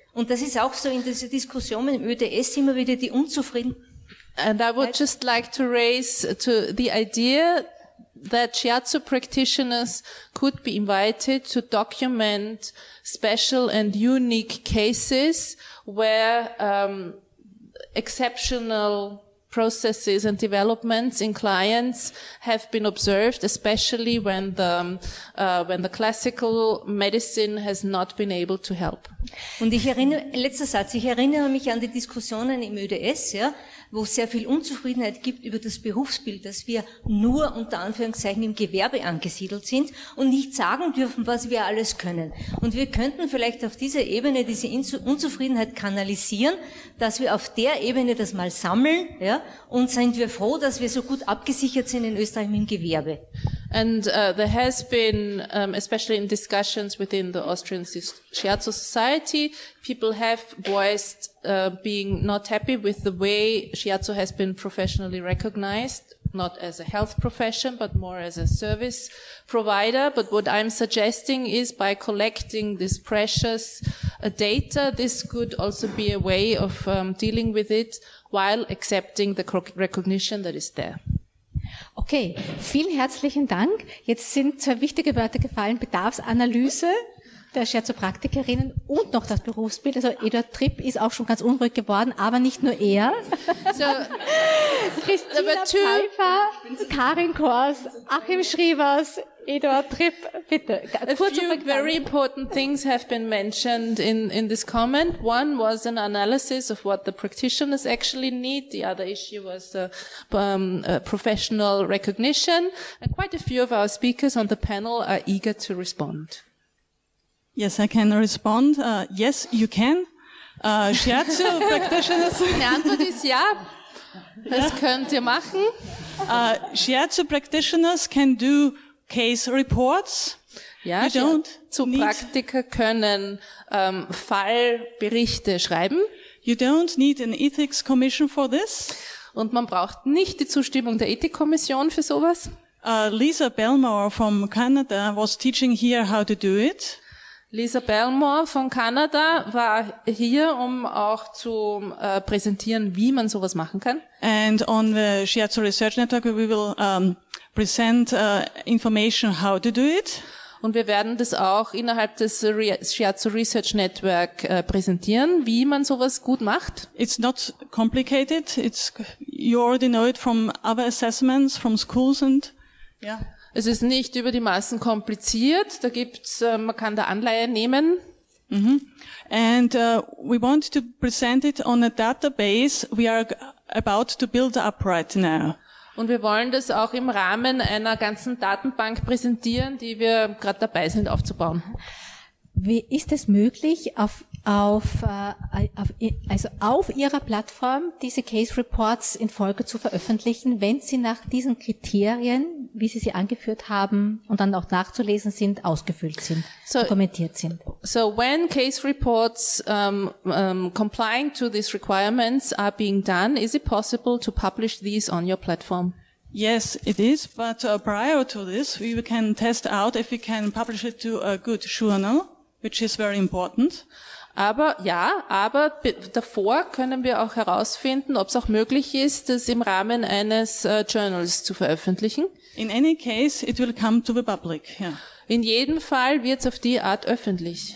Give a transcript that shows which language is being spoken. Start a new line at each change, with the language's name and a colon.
German: Und das ist auch so in dieser Diskussion im ÖDS immer wieder die Unzufriedenheit.
English: And I would just like to raise to the idea that shiatsu practitioners could be invited to document special and unique cases where exceptional processes and developments in clients have been observed, especially when the classical medicine has not been able to help.
German: Und ich erinnere, letzter Satz, ich erinnere mich an die Diskussionen im ÖDS, ja, wo es sehr viel Unzufriedenheit gibt über das Berufsbild, dass wir nur unter Anführungszeichen im Gewerbe angesiedelt sind und nicht sagen dürfen, was wir alles können. Und wir könnten vielleicht auf dieser Ebene diese Unzufriedenheit kanalisieren, dass wir auf der Ebene das mal sammeln, ja, und sind wir froh, dass wir so gut abgesichert sind in Österreich mit dem Gewerbe.
English: And there has been, especially in discussions within the Austrian Shiatsu Society, people have voiced being not happy with the way shiatsu has been professionally recognized, not as a health profession, but more as a service provider. But what I'm suggesting is by collecting this precious data, this could also be a way of dealing with it while accepting the recognition that is there.
German: Okay, vielen herzlichen Dank. Jetzt sind zwei wichtige Wörter gefallen, Bedarfsanalyse der Scherzopraktikerinnen und noch das Berufsbild. Also Eduard Tripp ist auch schon ganz unruhig geworden, aber nicht nur er. So, Christina Pfeiffer, Karin Kors, Achim Schrievers, Eduard Tripp, bitte.
English: Kurz a few very important things have been mentioned in this comment. One was an analysis of what the practitioners actually need. The other issue was professional recognition. And quite a few of our speakers on the panel are eager to respond. Yes, I can respond. Yes, you can. Shiatsu practitioners.
German: Die Antwort ist ja. Das könnt ihr machen.
English: Shiatsu practitioners can do case reports.
German: Ja, Shiatsu Praktiker können Fallberichte schreiben.
English: You don't need an ethics commission for this.
German: Und man braucht nicht die Zustimmung der Ethikkommission für sowas.
English: Lisa Belmore from Canada was teaching here how to do it.
German: Lisa Belmore von Kanada war hier, um auch zu präsentieren, wie man sowas machen kann.
English: And on the Shiatsu Research Network, we will present information how to do it.
German: Und wir werden das auch innerhalb des Shiatsu Research Network präsentieren, wie man sowas gut macht.
English: It's not complicated. It's, you already know it from other assessments, from schools and,
German: yeah. Es ist nicht über die Massen kompliziert. Da gibt's, man kann da Anleihen nehmen. Mm-hmm.
English: And we want to present it on a database we are about to build up right now.
German: Und wir wollen das auch im Rahmen einer ganzen Datenbank präsentieren, die wir gerade dabei sind aufzubauen. Wie ist es möglich, auf auf ihrer Plattform diese Case Reports in Folge zu veröffentlichen, wenn sie nach diesen Kriterien, wie sie angeführt haben und dann auch nachzulesen sind, ausgefüllt sind, so, dokumentiert sind.
English: So when case reports complying to these requirements are being done, is it possible to publish these on your platform? Yes, it is, but prior to this, we can test out if we can publish it to a good journal, which is very important.
German: Aber ja, aber davor können wir auch herausfinden, ob es auch möglich ist, das im Rahmen eines Journals zu veröffentlichen.
English: In any case, it will come to the public. Yeah.
German: In jedem Fall wird es auf die Art öffentlich.